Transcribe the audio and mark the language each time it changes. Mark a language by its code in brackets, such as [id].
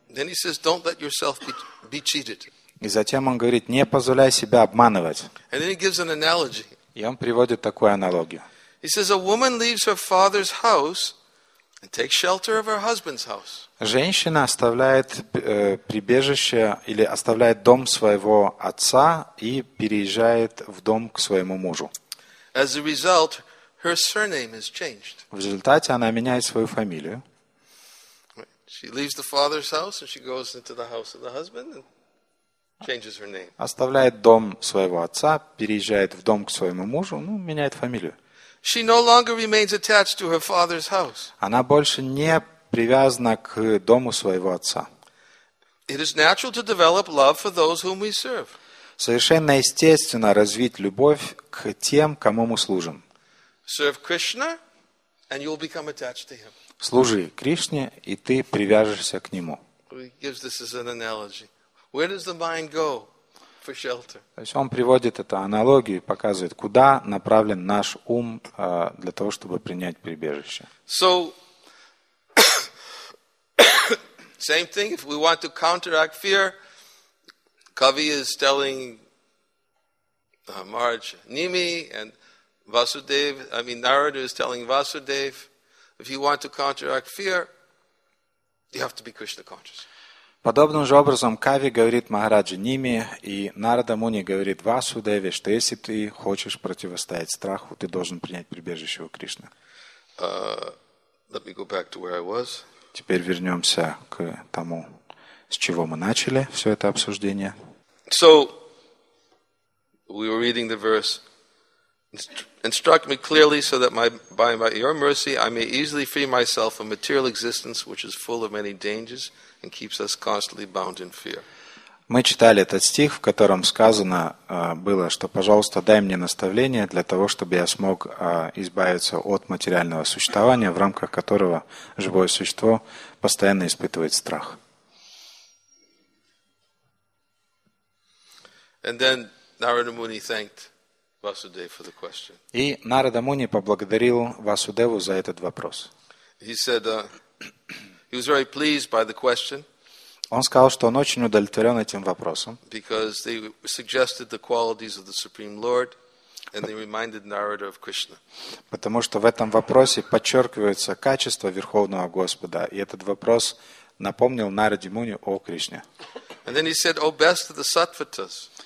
[en] Then he says, don't let yourself be cheated. [ru] И затем он говорит, не позволяй себя обманывать. [en] And then he gives an analogy. [ru] И он приводит такую аналогию. [en] He says, a woman leaves her father's house and takes shelter of her husband's house. [ru] Женщина оставляет прибежище или оставляет дом своего отца и переезжает в дом к своему мужу. [en] As a result, her surname is changed. [ru] В результате она меняет свою фамилию. [en] She leaves the father's house and she goes into the house of the husband and changes her name. [ru] Оставляет дом своего отца, переезжает в дом к своему мужу, ну, меняет фамилию. [en] She no longer remains attached to her father's house. [ru] Она больше не привязана к дому своего отца. [en] It is natural to develop love for those whom we serve. [ru] Совершенно естественно развить любовь к тем, кому мы служим. [en] Serve Krishna and you will become attached to him. [ru] Служи Кришне, и ты привяжешься к нему. [en] He gives this as an analogy. Where does the mind go for shelter? [ru] То есть он приводит эту аналогию и показывает, куда направлен наш ум для того, чтобы принять прибежище. [en] So, same thing, if we want to counteract fear, Kavi is telling Maharaj Nimi and Vasudev, I mean Narada is telling Vasudev, if you want to counteract fear, you have to be Krishna conscious. [ru] Подобным же образом Кави говорит Махараджа Ними и Нарада Муни говорит Васудеве, что если ты хочешь противостоять страху, ты должен принять прибежище у Кришны. [en] Let me go back to where I was. [ru] Теперь вернемся к тому, с чего мы начали все это обсуждение. [en] So, we were reading the verse. Instruct me clearly so that by your mercy I may easily free myself from material existence which is full of many dangers and keeps us constantly bound in fear. [ru] Мы читали этот стих, в котором сказано было, что, пожалуйста, дай мне наставление для того, чтобы я смог избавиться от материального существования, в рамках которого живое существо постоянно испытывает страх. [en] And then Narada Muni thanked Vasudev for the question. [ru] И Нарада Муни поблагодарил Васудеву за этот вопрос. [en] He said he was very pleased by the question. [ru] Он сказал, что он очень удовлетворен этим вопросом. [en] Because they suggested the qualities of the Supreme Lord, and they reminded Narada of Krishna. [ru] Потому что в этом вопросе подчеркивается качество Верховного Господа, и этот вопрос напомнил Нараде Муни о Кришне. [en] And then he said, "O best of the Satvatas."